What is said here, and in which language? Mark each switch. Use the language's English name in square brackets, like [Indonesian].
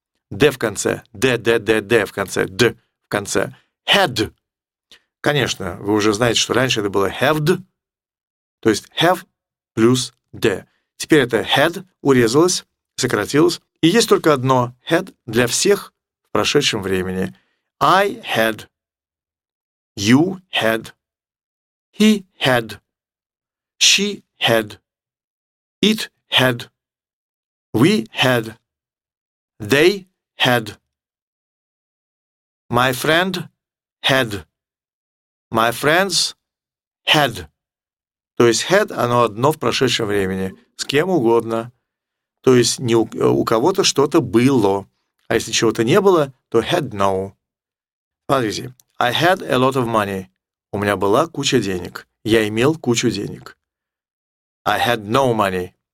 [Russian] D в конце. D в конце. D в конце. Had. Конечно, вы уже знаете, что раньше это было had, то есть have плюс d. Теперь это had урезалось, сократилось. И есть только одно had для всех в прошедшем времени. [English] I had, you had, he had, she had, it had, we had, they had, my friend had, my friends had. [Russian] То есть had, оно одно в прошедшем времени, с кем угодно. То есть не у кого-то что-то было. А если чего-то не было, то had no. Смотрите. [English] I had a lot of money. [Russian] У меня была куча денег. Я имел кучу денег. [English] I had no money.